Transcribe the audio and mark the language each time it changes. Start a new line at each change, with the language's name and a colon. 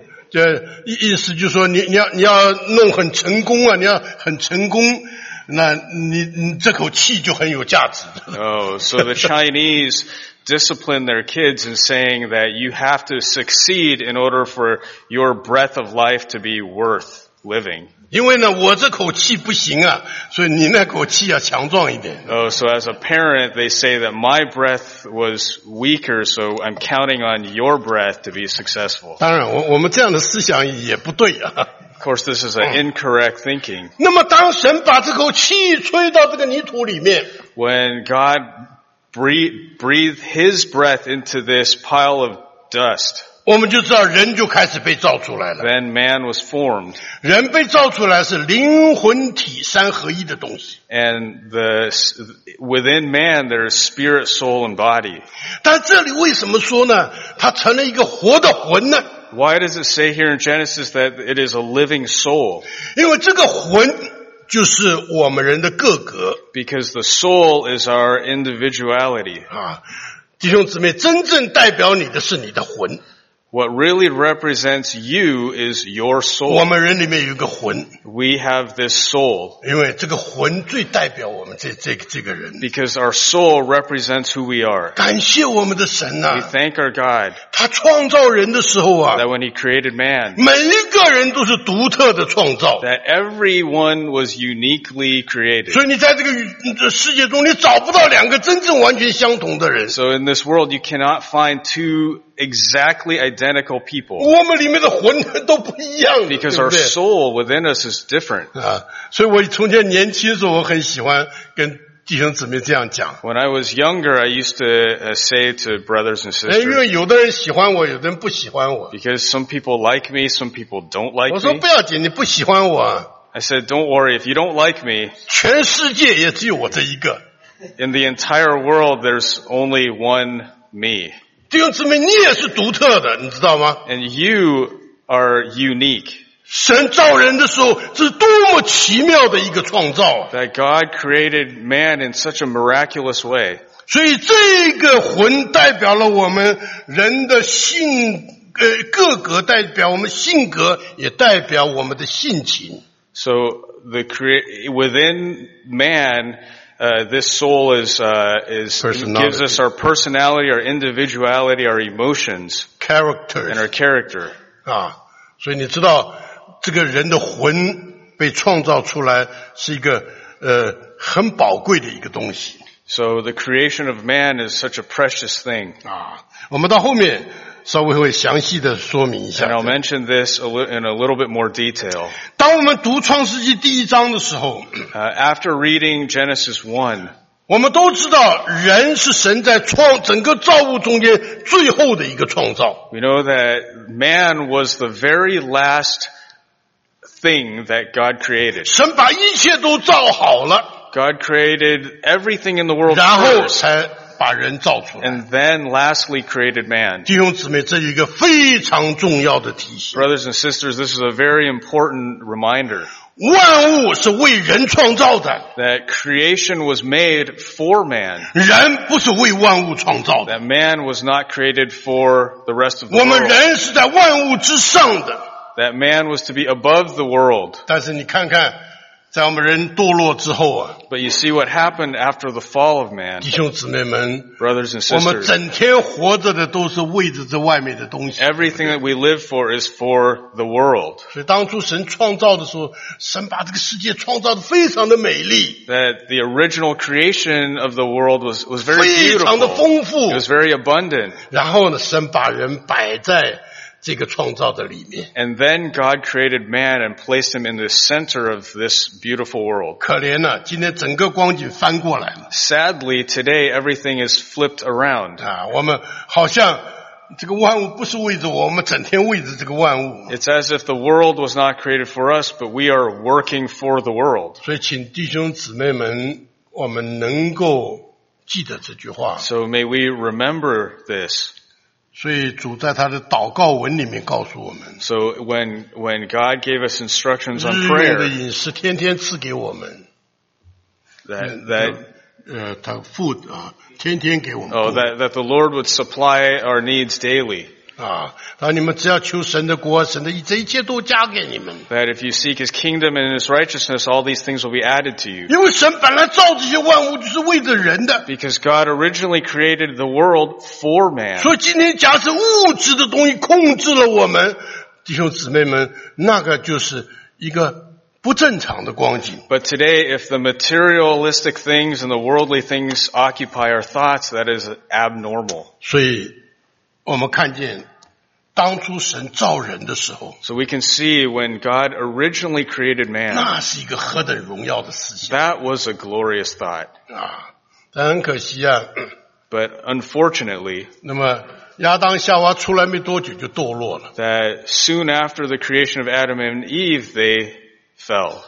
Chinese: 就意思就是说，你要弄很成功啊，你要很成功。那你这口气就很有价值。
English: So the Chinese discipline their kids in saying that you have to succeed in order for your breath of life to be worth living.
Chinese: 因为呢，我这口气不行啊，所以你那口气要强壮一点。
English: So as a parent, they say that my breath was weaker, so I'm counting on your breath to be successful.
Chinese: 当然，我们这样的思想也不对啊。
English: Of course, this is an incorrect thinking.
Chinese: 那么当神把这口气吹到这个泥土里面。
English: When God breathed his breath into this pile of dust.
Chinese: 我们就知道人就开始被造出来了。
English: Then man was formed.
Chinese: 人被造出来是灵魂体三合一的东西。
English: And within man, there is spirit, soul, and body.
Chinese: 但这里为什么说呢？它成了一个活的魂呢？
English: Why does it say here in Genesis that it is a living soul?
Chinese: 因为这个魂就是我们人的个格。
English: Because the soul is our individuality.
Chinese: 啊，弟兄姊妹，真正代表你的是你的魂。
English: What really represents you is your soul.
Chinese: 我们人里面有个魂。
English: We have this soul.
Chinese: 因为这个魂最代表我们这个人。
English: Because our soul represents who we are.
Chinese: 感谢我们的神啊。
English: We thank our God.
Chinese: 他创造人的时候啊。
English: That when he created man.
Chinese: 每一个人都是独特的创造。
English: That everyone was uniquely created.
Chinese: 所以你在这个世界中你找不到两个真正完全相同的人。
English: So in this world, you cannot find two exactly identical people.
Chinese: 我们里面的魂都不一样。
English: Because
Chinese: 对不对
English: our soul within us is different.
Chinese: 所以我从前年轻的时候我很喜欢跟弟兄姊妹这样讲。
English: When I was younger, I used to say to brothers and sisters.
Chinese: 因为有的人喜欢我有的人不喜欢我。
English: Because some people like me, some people don't like me.
Chinese: 我说不要紧你不喜欢我。
English: I said, don't worry, if you don't like me.
Chinese: 全世界也只有我这一个。
English: In the entire world, there's only one me.
Chinese: 弟兄姊妹你也是独特的你知道吗
English: And you are unique.
Chinese: 神造人的时候是多么奇妙的一个创造
English: That God created man in such a miraculous way.
Chinese: 所以这个魂代表了我们人的性各个代表我们性格也代表我们的性情
English: So the within manthis soul is gives us our personality, our individuality, our emotions, character, and our character.
Chinese: 啊，所以你知道这个人的魂被创造出来是一个很宝贵的一个东西。
English: So the creation of man is such a precious thing.
Chinese: 啊，我们到后面稍微会详细的说明一下。
English: And I'll mention this in a little bit more detail.
Chinese: 当我们读创世纪第一章的时候
English: after reading Genesis 1,
Chinese: 我们都知道人是神在整个造物中间最后的一个创造。
English: We know that man was the very last thing that God created.
Chinese: 神把一切都造好了。
English: God created everything in the world first.
Chinese: 然后才把人造出来。
English: And then lastly created man.
Chinese: 弟兄姊妹这是一个非常重要的提醒。
English: Brothers and sisters, this is a very important reminder.
Chinese: 万物是为人创造的。
English: That creation was made for man.
Chinese: 人不是为万物创造的。
English: That man was not created for the rest of the world.
Chinese: 我们人是在万物之上的。
English: That man was to be above the world.
Chinese: 但是你看看在我们人堕落之后啊
English: But you see what happened after the fall of man.
Chinese: 弟兄姊妹们
English: Brothers and sisters.
Chinese: 我们整天活着的都是为着这外面的东西。
English: Everything that we live for is for the world.
Chinese: 所以当初神创造的时候神把这个世界创造得非常的美丽。
English: That the original creation of the world was very beautiful.
Chinese: 非常的丰富。
English: It was very abundant.
Chinese: 然后呢神把人摆在这个创造的里面。
English: And then God created man and placed him in the center of this beautiful world.
Chinese: 可怜啊，今天整个光景翻过来了。
English: Sadly, today everything is flipped around.
Chinese: 啊，我们好像这个万物不是为着我，我们整天为着这个万物。
English: It's as if the world was not created for us, but we are working for the world.
Chinese: 所以请弟兄姊妹们，我们能够记得这句话。
English: So may we remember this.
Chinese: 所以主在他的祷告文里面告诉我们
English: So when God gave us instructions on prayer
Chinese: 日用的饮食天天赐给我们
English: that
Chinese: 他
English: food
Chinese: 啊天天给我们
English: Oh that the Lord would supply our needs daily
Chinese: 啊那你们只要求神的国神的这一切都加给你们
English: That if you seek his kingdom and his righteousness all these things will be added to you
Chinese: 因为神本来造这些万物就是为着人的
English: Because God originally created the world for man
Chinese: 所以今天假设物质的东西控制了我们弟兄姊妹们那个就是一个不正常的光景
English: But today if the materialistic things and the worldly things occupy our thoughts that is abnormal
Chinese: 所以我们看见当初神造人的时候
English: So we can see when God originally created man
Chinese: 那是一个何等荣耀的思想
English: That was a glorious thought
Chinese: 啊，但很可惜啊
English: But unfortunately
Chinese: 那么亚当夏娃出来没多久就堕落了
English: That soon after the creation of Adam and Eve they fell